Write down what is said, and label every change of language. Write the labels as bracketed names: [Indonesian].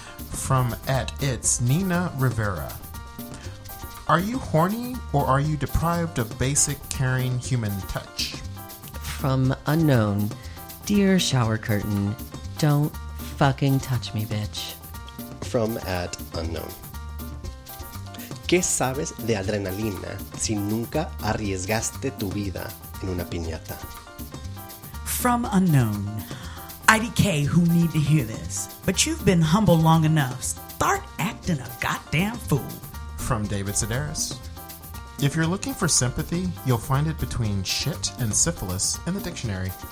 [English] From at It's Nina Rivera. Are you horny or are you deprived of basic caring human touch? From Unknown. Dear shower curtain, don't fucking touch me, bitch. From at Unknown. [Spanish] ¿Qué sabes de adrenalina si nunca arriesgaste tu vida en una piñata? [English] From Unknown. IDK, who need to hear this? But you've been humble long enough. Start acting a goddamn fool. From David Sedaris. If you're looking for sympathy, you'll find it between shit and syphilis in the dictionary.